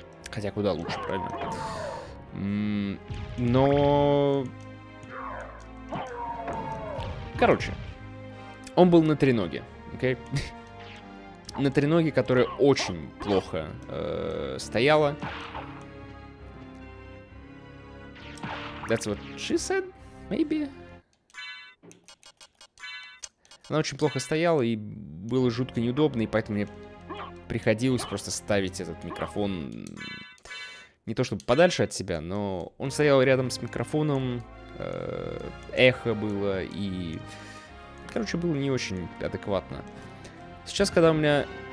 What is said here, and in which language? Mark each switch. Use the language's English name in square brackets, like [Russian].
[Russian] Хотя куда лучше, правильно? Но... Короче, он был на треноге, окей? На треноге, которая очень плохо стояла. [English] That's what she said, maybe. [Russian] Она очень плохо стояла и было жутко неудобно, и поэтому мне приходилось просто ставить этот микрофон не то чтобы подальше от себя, но он стоял рядом с микрофоном, эхо было, и, короче, было не очень адекватно. Сейчас, когда у меня...